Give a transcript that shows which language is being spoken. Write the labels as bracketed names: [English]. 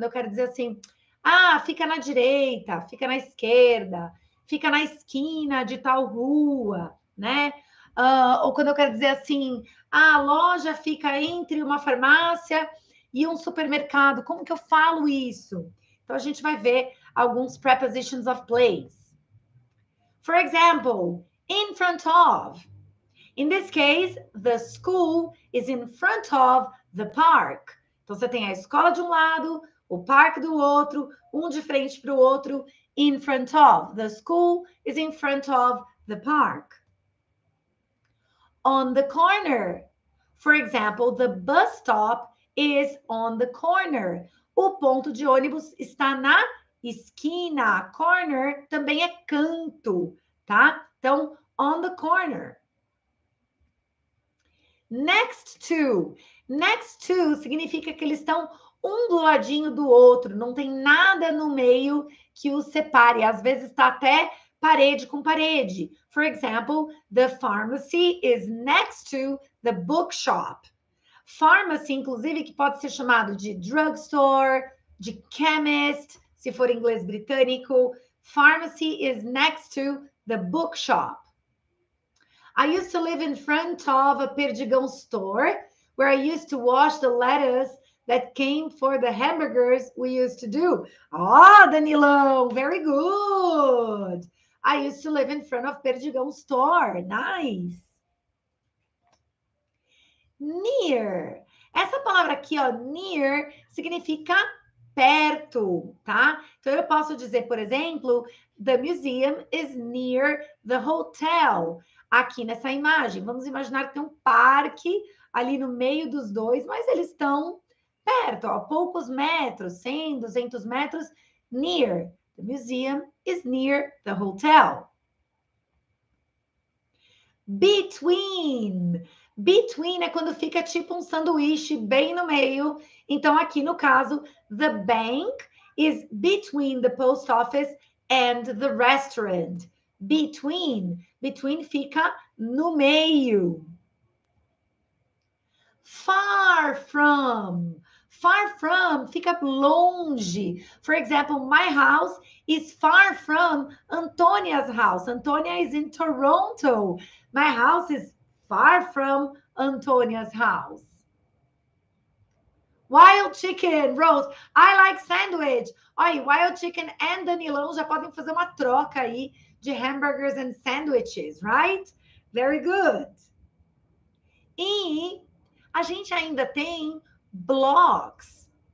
[Portuguese] Quando eu quero dizer assim, ah, fica na direita, fica na esquerda, fica na esquina de tal rua, né? Ou quando eu quero dizer assim, ah, a loja fica entre uma farmácia e um supermercado. Como que eu falo isso? Então, a gente vai ver alguns [English] prepositions of place. For example, in front of. In this case, the school is in front of the park. [Portuguese] Então, você tem a escola de um lado, o parque do outro, um de frente para o outro, [English] in front of. The school is in front of the park. On the corner. For example, the bus stop is on the corner. [Portuguese] O ponto de ônibus está na esquina. Corner também é canto. Tá? Então, [English] on the corner. Next to. [Portuguese] Next to significa que eles estão um do ladinho do outro. Não tem nada no meio que os separe. Às vezes está até parede com parede. [English] For example, the pharmacy is next to the bookshop. [Portuguese] Pharmacy, inclusive, que pode ser chamado de drugstore, de chemist, se for inglês britânico. [English] Pharmacy is next to the bookshop. I used to live in front of a Perdigão store where I used to wash the lettuce that came for the hamburgers we used to do. Ah, Danilo, very good. I used to live in front of Perdigão store. Nice. Near. [Portuguese] Essa palavra aqui, ó, near, significa perto, tá? Então, eu posso dizer, por exemplo, [English] the museum is near the hotel. [Portuguese] Aqui nessa imagem, vamos imaginar que tem um parque ali no meio dos dois, mas eles estão perto, ó, poucos metros, 100, 200 metros, near. [English] The museum is near the hotel. Between. [Portuguese] Between é quando fica tipo um sanduíche bem no meio. Então, aqui no caso, [English] the bank is between the post office and the restaurant. Between. Between [Portuguese] fica no meio. [English] Far from. Far from [Portuguese] fica longe. [English] For example, my house is far from Antonia's house. Antonia is in Toronto. My house is far from Antonia's house. Wild chicken, Rose. I like sandwich. [Portuguese] Olha, wild chicken and Danilão já podem fazer uma troca aí de [English] hamburgers and sandwiches, right? Very good. [Portuguese] E a gente ainda tem blocks.